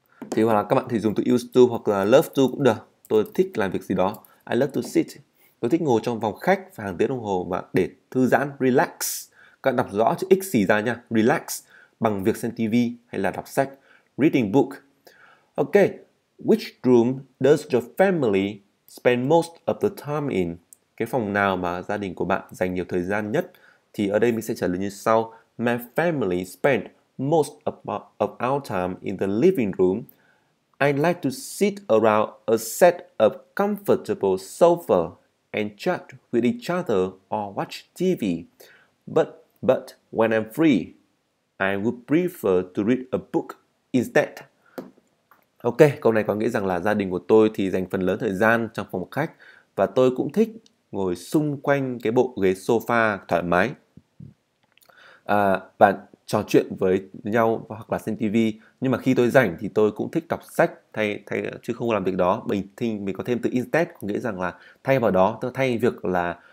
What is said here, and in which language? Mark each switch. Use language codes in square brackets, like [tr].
[vi] Thì hoặc là các bạn thì dùng từ used to hoặc là love to cũng được. Tôi thích làm việc gì đó. [en] I love to sit. [vi] Tôi thích ngồi trong phòng khách và hàng tiếng đồng hồ và để thư giãn, relax. Các bạn đọc rõ chữ x xì ra nha. Relax bằng việc xem TV hay là đọc sách. [en] Reading book. Ok, which room does your family spend most of the time in? [vi] Cái phòng nào mà gia đình của bạn dành nhiều thời gian nhất? Thì ở đây mình sẽ trả lời như sau. [en] My family spent most of our time in the living room. I like to sit around a set of comfortable sofa and chat with each other or watch TV. But when I'm free, I would prefer to read a book instead. [vi] Ok, câu này có nghĩa rằng là gia đình của tôi thì dành phần lớn thời gian trong phòng khách và tôi cũng thích ngồi xung quanh cái bộ ghế sofa thoải mái và trò chuyện với nhau hoặc là xem TV. Nhưng mà khi tôi rảnh thì tôi cũng thích đọc sách thay chứ không làm việc đó. Mình có thêm từ instead có nghĩa rằng là thay vào đó, tức thay việc là